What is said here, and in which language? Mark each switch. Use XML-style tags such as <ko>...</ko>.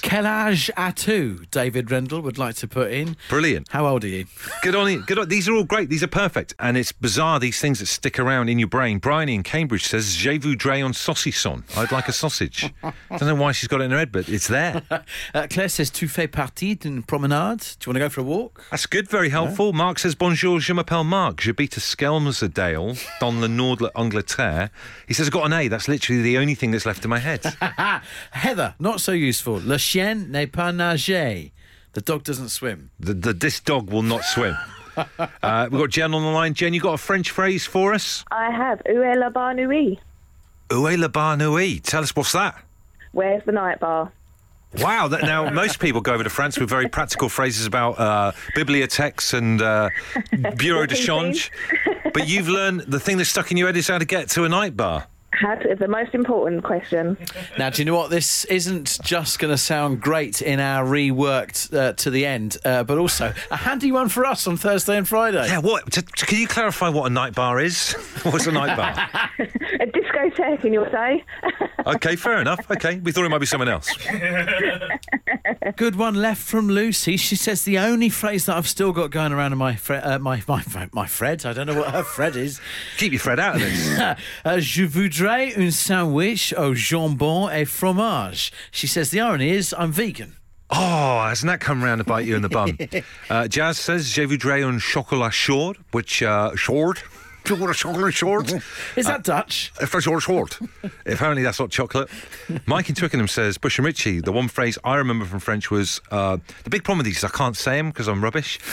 <fr>Quel âge as-tu,</fr> <en>David Rendell would like to put in. Brilliant. How old are you? Good on you. Good on, these are all great. These are perfect. And it's bizarre, these things that stick around in your brain. Bryony in Cambridge says,</en> <fr>je voudrais un saucisson.</fr> <en>I'd like a sausage. I don't know why she's got it in her head, but it's there. Claire says,</en> <fr>tu fais partie d'une promenade?</fr> <en>Do you want to go for a walk? That's good. Very helpful. Yeah.</en> <fr>Mark says, bonjour, je m'appelle Marc. J'habite à Skelmersdale, dans le nord de l'Angleterre.</fr> <en>He says, I've got an A. That's literally the only thing that's left in my head. Heather, not so useful.</en> <fr>Le chien n'est pas nagé.</fr> <en>The dog doesn't swim. This dog will not swim. We've got Jen on the line. Jen, you got a French phrase for us? I have.</en> <fr>Où est la bar nuit? Où est la bar nuit?</fr> <en>Tell us, what's that? Where's the night bar? Wow. Now, most people go over to France with very practical phrases about bibliothèques and bureau de change. But you've learned the thing that's stuck in your head is how to get to a night bar. That's the most important question. Now, do you know what? This isn't just going to sound great in our reworked To The End, but also a handy one for us on Thursday and Friday. Yeah, what? Can you clarify what a night bar is? What's a night bar? A discotheque, can you say? Okay, fair enough. Okay, we thought it might be someone else. Good one left from Lucy. She says the only phrase that I've still got going around in my my Fred. I don't know what her Fred is. Keep your Fred out of this.</en> <fr>Je voudrais un sandwich au jambon et fromage.</fr> <en>She says the irony is I'm vegan. Oh, hasn't that come round to bite you in the bum? Jazz says</en> <fr>je voudrais un chocolat chaud,</fr> <en>which chaud. Do you want a chocolate short? Is that Dutch? For sure, short. If only that's not chocolate. Mike in Twickenham says, Bush and Richie, the one phrase I remember from French was, the big problem with these is I can't say them because I'm rubbish.</en>